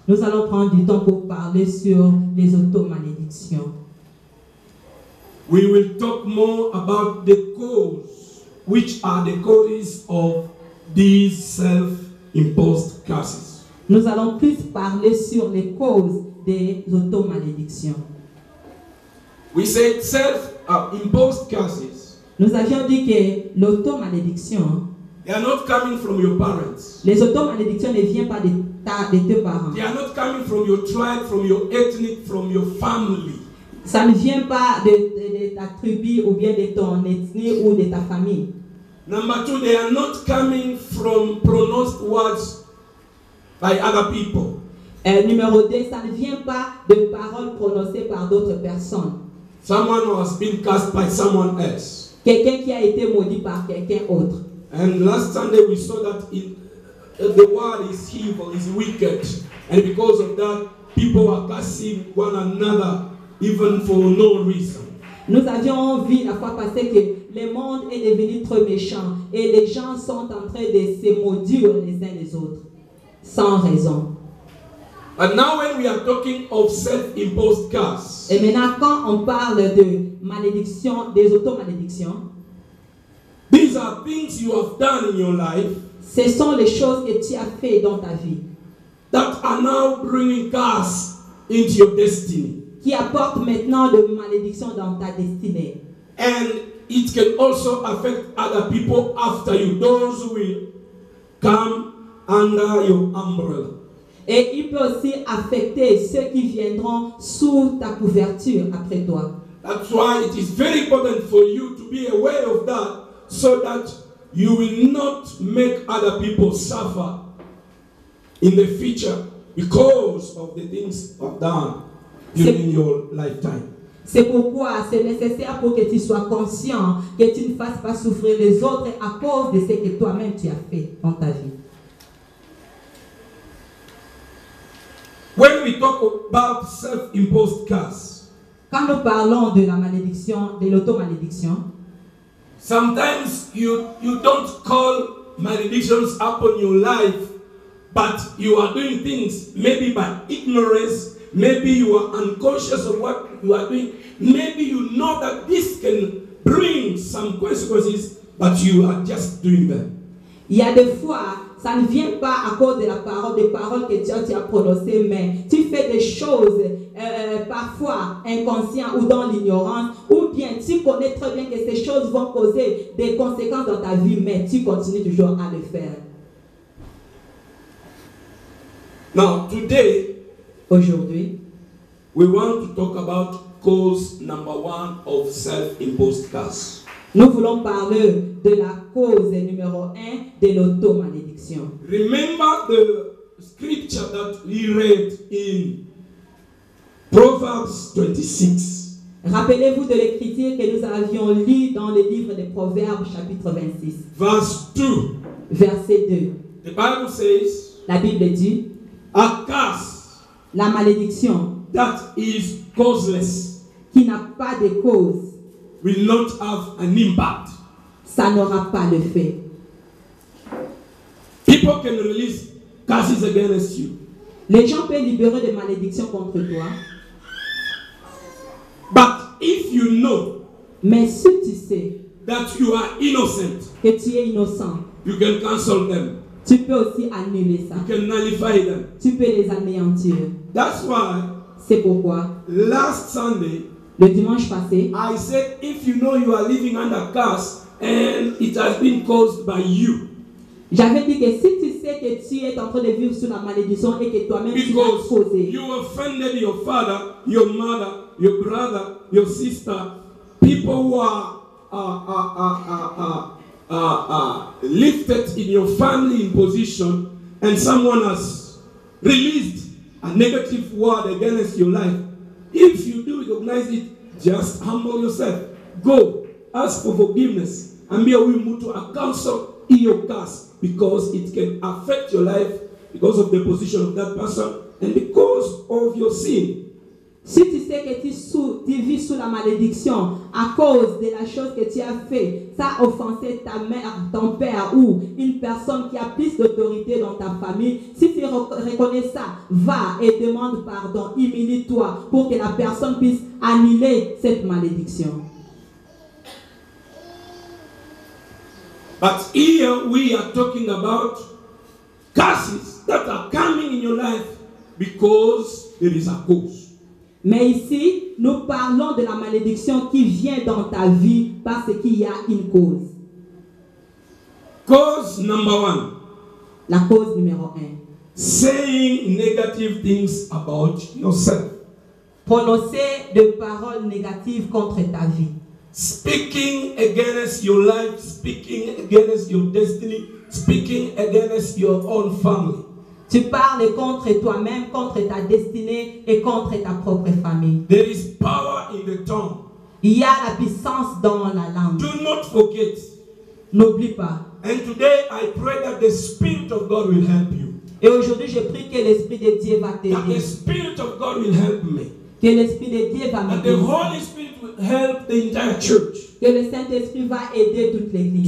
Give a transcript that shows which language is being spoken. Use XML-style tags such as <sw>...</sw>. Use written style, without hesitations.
<fr>Nous allons prendre du temps pour parler sur les auto-malédictions.</fr> <en>We will talk more about the cause, which are the causes of these self-imposed curses.</en> <fr>Nous allons plus parler sur les causes des auto-malédictions.</fr> <en>We said self-imposed curses.</en> <fr>Nous avions dit que l'auto-malédiction,</fr> <en>they are not coming from your parents.</en> <fr>Les auto-malédictions ne viennent pas de tes parents.</fr> <en>They are not coming from your tribe, from your ethnic, from your family.</en> <fr>Ça ne vient pas de ta tribu ou bien de ton ethnie ou de ta famille.</fr> <en>Number two, they are not coming from pronounced words by other people.</en> <fr>Numéro 2, ça ne vient pas de paroles prononcées par d'autres personnes.</fr> <en>Someone has been cast by someone else.</en> <fr>Quelqu'un qui a été maudit par quelqu'un autre.</fr> <en>And last Sunday we saw that the world is evil, is wicked, and because of that, People are cursing one another even for no reason.</en> <fr>Nous avions vu la fois passée que le monde est devenu très méchant et les gens sont en train de se maudire les uns les autres sans raison.</fr> <en>But now when we are talking of self-imposed curse,</en> <fr>et maintenant quand on parle de malédiction, des auto-malédictions,</fr> <en>these are things you have done in your life.</en> <fr>Ce sont les choses que tu as fait dans ta vie.</fr> <en>That are now bringing curse into your destiny.</en> <fr>Qui apporte maintenant de malédiction dans ta destinée.</fr> <en>And it can also affect other people after you. Those will come under your umbrella.</en> <fr>Et il peut aussi affecter ceux qui viendront sous ta couverture après toi.</fr> <en>That's why it is very important for you to be aware of that, so that you will not make other people suffer in the future because of the things you've done during your lifetime.</en> <fr>C'est pourquoi c'est nécessaire pour que tu sois conscient que tu ne fasses pas souffrir les autres à cause de ce que toi-même tu as fait dans ta vie.</fr> <en>When we talk about self-imposed curse,</en> <fr>quand nous parlons de la malédiction, de l'auto-malédiction,</fr> <en>sometimes you don't call maledictions upon your life, but you are doing things maybe by ignorance, maybe you are unconscious of what you are doing, maybe you know that this can bring some consequences, but you are just doing them.</en> <fr>Il y a des fois, ça ne vient pas à cause de la parole, des paroles que Dieu t'a prononcées, mais tu fais des choses parfois inconscient ou dans l'ignorance, ou bien tu connais très bien que ces choses vont causer des conséquences dans ta vie, mais tu continues toujours à le faire.</fr> <en>Now, today,</en> <fr>aujourd'hui,</fr> <en>we want to talk about cause number one of self-imposed curse.</en> <fr>Nous voulons parler de la cause numéro un de l'auto-malédiction.</fr> <en>Remember the scripture that we read in Proverbs 26.</en> <fr>Rappelez-vous de l'écriture que nous avions lu dans le livre des Proverbes, chapitre 26.</fr> <en>Verse 2.</en> <fr>Verset 2.</fr> <en>The Bible says,</en> <fr>la Bible dit,</fr> <en>a curse,</en> <fr>la malédiction,</fr> <en>that is causeless,</en> <fr>qui n'a pas de cause,</fr> <en>will not have an impact.</en> <fr>Ça n'aura pas le fait.</fr> <en>People can release curses against you.</en> <fr>Les gens peuvent libérer des malédictions contre toi.</fr> <en>But if you know,</en> <fr>mais si tu sais,</fr> <en>that you are innocent,</en> <fr>que tu es innocent,</fr> <en>you can cancel them.</en> <fr>Tu peux aussi annuler ça.</fr> <en>You can nullify them.</en> <fr>Tu peux les anéantir.</fr> <en>That's why.</en> <fr>C'est pourquoi.</fr> <en>Last Sunday.</en> <fr>Le dimanche passé,</fr> <en>I said, if you know you are living under curse and it has been caused by you,</en> <fr>j'avais dit que si tu sais que tu es en train de vivre sous la malédiction et que toi-même tu l'as causé,</fr> <en>you offended your father, your mother, your brother, your sister, people who are lifted in your family in position, and someone has released a negative word against your life. If you do recognize it, just humble yourself. Go, ask for forgiveness, and be a willing to counsel in your curse, because it can affect your life because of the position of that person and because of your sin.</en> <fr>Si tu sais que tu vis sous la malédiction à cause de la chose que tu as fait, ça a offensé ta mère, ton père ou une personne qui a plus d'autorité dans ta famille, si tu reconnais ça, va et demande pardon, humilie-toi pour que la personne puisse annuler cette malédiction.</fr> <en>But here we are talking about curses that are coming in your life because there is a cause.</en> <fr>Mais ici, nous parlons de la malédiction qui vient dans ta vie parce qu'il y a une cause.</fr> <en>Cause number one.</en> <fr>La cause numéro un.</fr> <en>Saying negative things about yourself.</en> <fr>Prononcer de paroles négatives contre ta vie.</fr> <en>Speaking against your life, speaking against your destiny, speaking against your own family.</en> <fr>Tu parles contre toi-même, contre ta destinée et contre ta propre famille.</fr> <en>There is power in the tongue.</en> <fr>Il y a la puissance dans la langue.</fr> <en>Do not forget.</en> <fr>N'oublie pas.</fr> <en>And today I pray that the Spirit of God will help you.</en> <fr>Et aujourd'hui, je prie que l'Esprit de Dieu va t'aider.</fr> <en>The Spirit of God will help me.</en> <fr>Que l'Esprit de Dieu va m'aider.</fr> <en>And the Holy Spirit will help the entire church.</en> <fr>Que le Saint-Esprit va aider toute l'église.</fr>